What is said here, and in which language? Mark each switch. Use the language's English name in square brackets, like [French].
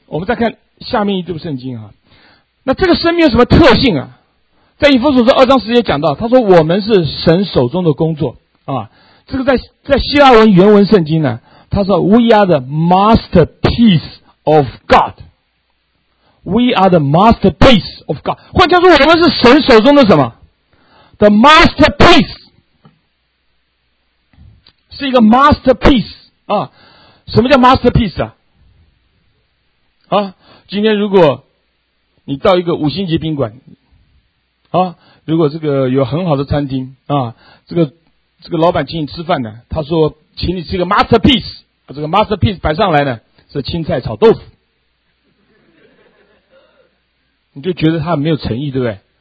[Chinese] 我们再看下面一部圣经啊，那这个生命有什么特性啊？在以弗所书二章十节讲到，他说我们是神手中的工作啊。这个在希腊文原文圣经呢，他说 [English] We are the masterpiece of God. We are the masterpiece of God. [Chinese] 换叫做我们是神手中的什么？ The masterpiece 是一个 masterpiece 啊。什么叫 masterpiece 啊？啊，今天如果你到一个五星级宾馆啊，如果这个有很好的餐厅啊，这个老板请你吃饭呢，他说请你吃一个 masterpiece。这个 masterpiece 摆上来呢，是青菜炒豆腐，你就觉得他没有诚意，对不对？